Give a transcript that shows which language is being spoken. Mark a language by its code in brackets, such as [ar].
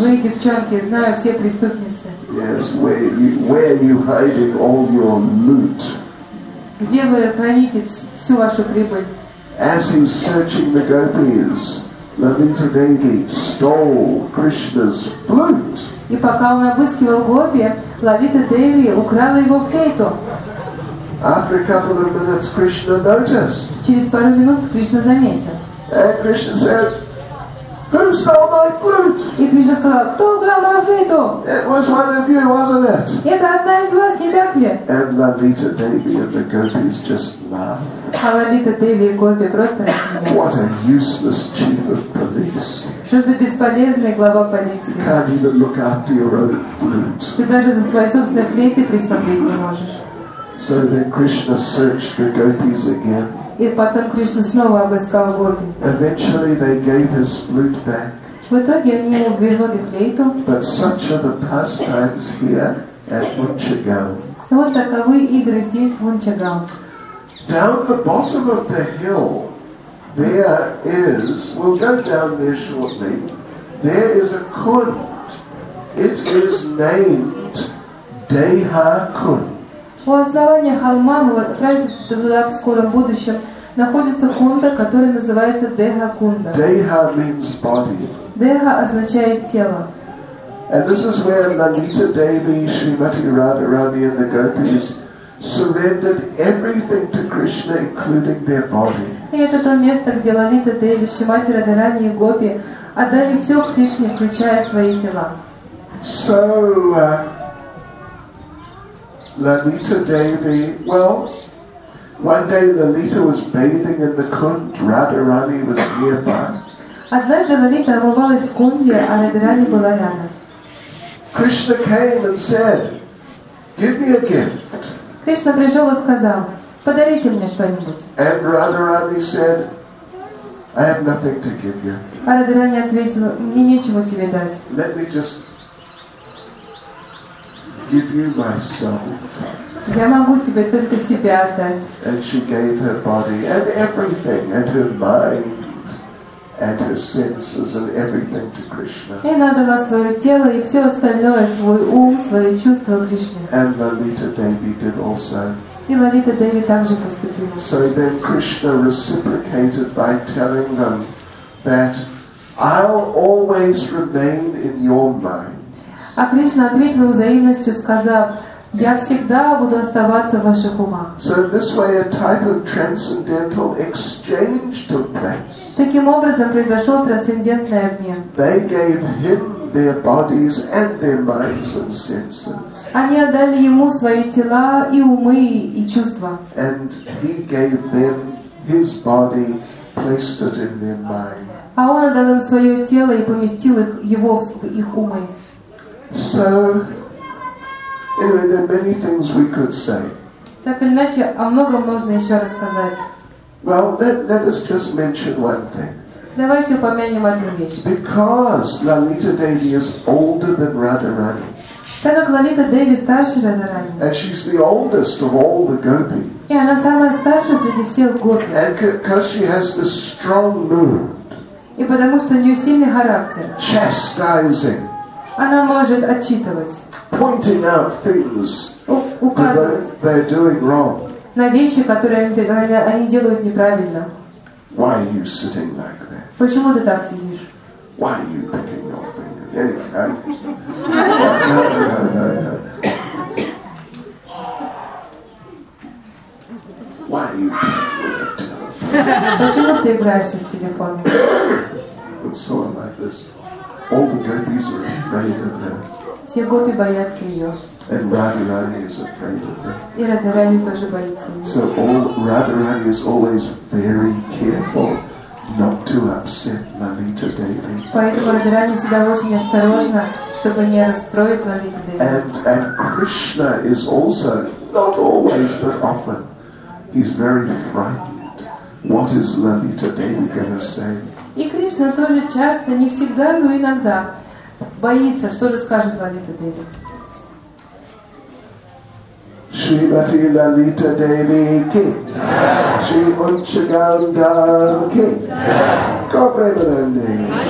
[ru] Вы девчонки, знаю, все преступницы. [en] Yes, where are you hiding all your loot? [ru] Где вы храните всю вашу прибыль? [en] As he's searching the gopis, Lalita Devi stole Krishna's flute. [ru] И пока он обыскивал гопи, Лалита Деви украла его флейту. [en] After a couple of minutes, Krishna noticed. [ru] Через пару минут Кришна заметил. [en] And Krishna said, "Who [ru] И Кришна сказал, кто играл на флейту? Это одна из вас, не так ли? А Лолита Деви и Гопи просто рассмеялись. Что за бесполезный глава полиции? Ты даже за своей собственной флейтой присмотреть не можешь. [en] So then Krishna searched the gopis again. [ru] И потом Кришна снова обыскал гопи. [en] Eventually they gave his flute back. [ru] В итоге они ему вернули флейту. [en] But such are the pastimes here at Munchagao. [ru] Вот таковы игры здесь в Мунчагао. [en] Down the bottom of the hill, there is. We'll go down there shortly. There is a kund. It is named Deha Kund. [ru] У основания холма, вот туда в скором будущем, находится кунда, который называется Деха Кунда. [en] Деха means body. [ru] Деха означает тело. [en] And this is where Lalita Devi, Srimati Radharani and the gopis surrendered everything to Krishna, including their body. [ru] И это то место, где Лалита Деви, Шримати Радхарани и гопи отдали все Кришне, включая свои тела. [en] So, Lalita Devi, well, one day Lalita was bathing in the kund, Radharani was nearby. [ru] Однажды Лалита омывалась в кунде, а Радхарани была рядом. [en] Krishna came and said, give me a gift. [ru] Кришна пришел и сказал, подарите мне что-нибудь. [en] And Radharani said, I have nothing to give you. [ru] А Радхарани ответила, мне нечего тебе дать. [en] Let me just give you myself. [ru] Я могу тебе только себя отдать. [en] And she gave her body and everything, and her mind and her senses and everything to Krishna. [ru] И она дала свое тело и все остальное, свой ум, свои чувства Кришне. [en] And Lalita Devi did also. [ru] И Лолита Деви также поступила. [en] So then Krishna reciprocated by telling them that I'll always remain in your mind. [ru] А Кришна ответил взаимностью, сказав, «Я всегда буду оставаться в ваших умах». [en] So this way a type of transcendental exchange took place. [ru] Таким образом произошел трансцендентный обмен. [en] They gave him their bodies and their minds and senses. [ru] Они отдали ему свои тела и умы и чувства. [en] And he gave them his body, placed it in their mind. [ru] А он отдал им свое тело и поместил его в их умы. [en] So, anyway, there are many things we could say. [ru] Так или иначе, о многом можно еще рассказать. [en] Well, let us just mention one thing. [ru] Давайте упомянем одну вещь. [en] Because Lalita Devi is older than Radharani. [ru] Так как Лолита Деви старше Радхарани. [en] And she's the oldest of all the gopis. [ru] И она самая старшая среди всех гопи. [en] And because she has this strong mood. [ru] И потому что у нее сильный характер. [en] Chastising. [ru] Она может отчитывать. [en] Pointing out things, [ru] указывать [en] that they're doing wrong. [ru] На вещи, которые они делают неправильно. [en] Why are you sitting like that? [ru] Почему ты так сидишь? [en] Why are you picking your finger? Anyway, no. Why are you [ru] Почему ты играешься с телефоном? [en] It's sort of like this. All the gopis are afraid of her. [ru] Все гопи боятся ее. [en] And Radharani is afraid of her. [ru] И Радхарани тоже боится ее. [en] So all Radharani is always very careful not to upset Lalita Devi. [ru] Поэтому Радхарани всегда очень осторожна, чтобы не расстроить Лалиту Деви. [en] And Krishna is also not always, but often, he's very frightened. What is Lalita Devi going to say? [ru] И Кришна тоже часто, не всегда, но иногда боится, что же скажет Лалита Деви. [hi] Шримати Лалита Деви ки, Шри Мунчагангам ки, Гопрэмананди.